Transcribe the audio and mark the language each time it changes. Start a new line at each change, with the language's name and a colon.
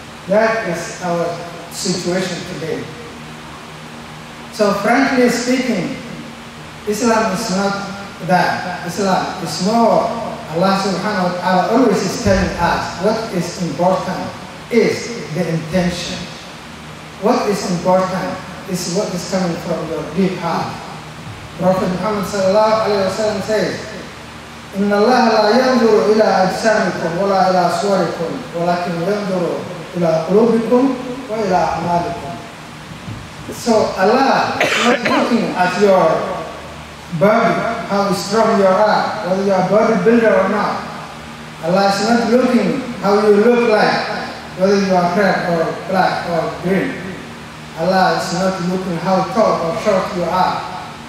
English: That is our situation today. So frankly speaking, Islam is not that. Islam is more. Allah subhanahu wa ta'ala always is telling us what is important is the intention. What is important is what is coming from your deep heart. Prophet Muhammad sallallahu alayhi wa sallam says,
Arabic: إِنَّ اللَّهَ لَا يَنْظُرُ إِلَىٰ أَجْسَامِكُمْ وَلَا إِلَىٰ صُوَرِكُمْ وَلَكِنْ يَنْظُرُ إِلَىٰ قُلُوبِكُمْ وَإِلَىٰ أَعْمَالِكُمْ.
English: So Allah is looking at your body, how strong you are, whether you are a bodybuilder or not. Allah is not looking how you look like, whether you are red or black or green. Allah is not looking how tall or short you are.